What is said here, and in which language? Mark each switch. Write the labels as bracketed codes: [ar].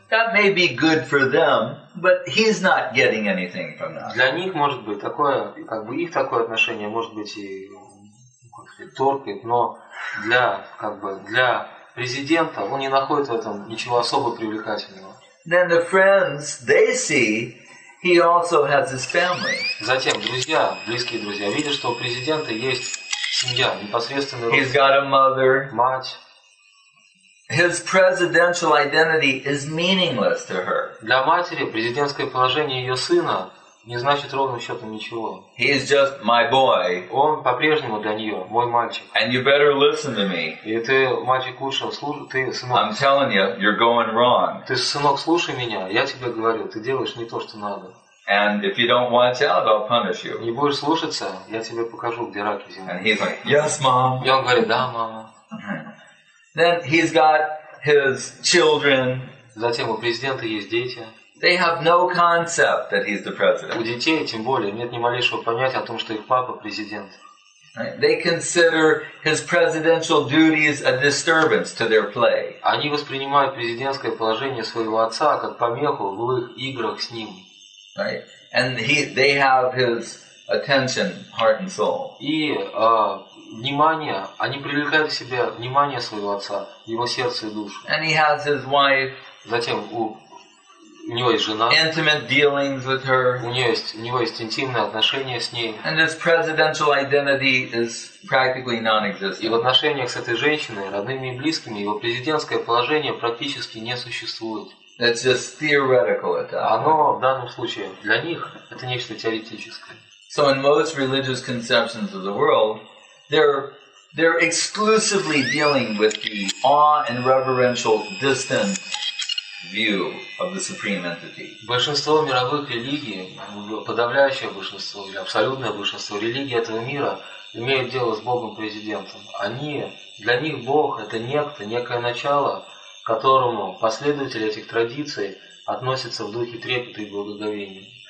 [en] That may be good for them, but he's not getting anything from that. [ru] Для них может быть такое, как бы их такое отношение может быть и торкает, но для как бы для президента он не находит в этом ничего особо привлекательного. [en] Then the friends, they see he also has his family. [ru] Затем друзья, близкие друзья видят, что у президента есть семья, непосредственно родители. [en] He's got a mother. [ru] Мать. [en] His presidential identity is meaningless to her. [ru] Для матери президентское положение ее сына не значит ровным счетом ничего. [en] He is just my boy. [ru] Он по-прежнему для нее мой мальчик. [en] And you better listen to me. [ru] И ты, мальчик, лучше слушай, ты, сынок. [en] I'm telling you, you're going wrong. [ru] Ты, сынок, слушай меня. Я тебе говорю, ты делаешь не то, что надо. [en] And if you don't watch out, I'll punish you. [ru] Не будешь слушаться, я тебе покажу, где раки зимой. [en] And he's like, yes, mom. [ru] И он говорит, да, мама. [en] Then he's got his children. [ru] Затем у президента есть дети. [en] They have no concept that he's the president. [ru] У детей, тем более, нет ни малейшего понятия о том, что их папа президент. [en] They consider his presidential duties a disturbance to their play. [ru] Они воспринимают президентское положение своего отца как помеху в их играх с ним. [en] Right? And they have his attention, heart and soul. [ru] И внимание, они привлекают к себе внимание своего отца, его сердце и душу. [en] And he has his wife. [ru] Затем у него есть жена. [en] Intimate dealings with her. [ru] У него есть интимные отношения с ней. [en] And his presidential identity is practically non-existent. [ru] И в отношениях с этой женщиной, родными и близкими, его президентское положение практически не существует. [en] It's just theoretical at that point. [ru] Оно в данном случае для них это нечто теоретическое. [en] So in most religious conceptions of the world, They're exclusively dealing with the awe and reverential distant view of the supreme entity. [ru] Большинство мировых религий, подавляющее большинство или абсолютное большинство религий этого мира имеют дело с Богом президентом. Они для них Бог это некто, некое начало, к которому последователи этих традиций относятся в духе трепета и благоговения.